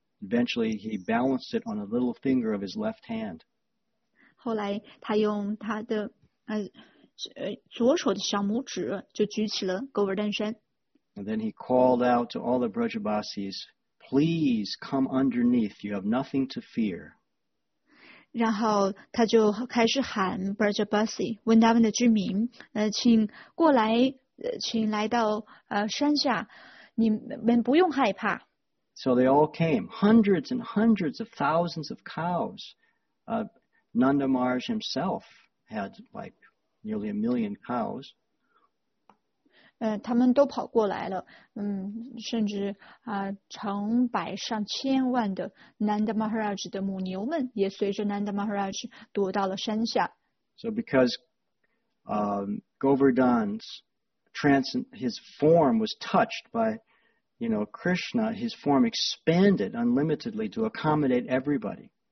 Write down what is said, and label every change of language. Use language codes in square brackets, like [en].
[en] Eventually, he balanced it on the little finger of his left hand. [zh] 后来，他用他的左手的小拇指就举起了 Govardhan 山。 [en] And then he called out to all the Brajabasis, "Please come underneath. You have nothing to fear." [zh] 然后他就开始喊 Brajabasi 温达文的居民，请过来，请来到山下，你们不用害怕。 [en] So they all came, hundreds and hundreds of thousands of cows. Nanda Maharaj himself had like nearly a million cows. [zh] 他们都跑过来了，甚至成百上千万的 Nanda Maharaj 的母牛们也随着 Nanda Maharaj 躲到了山下。 [en] So because Govardhan's his form was touched by Krishna, his form expanded unlimitedly to accommodate everybody.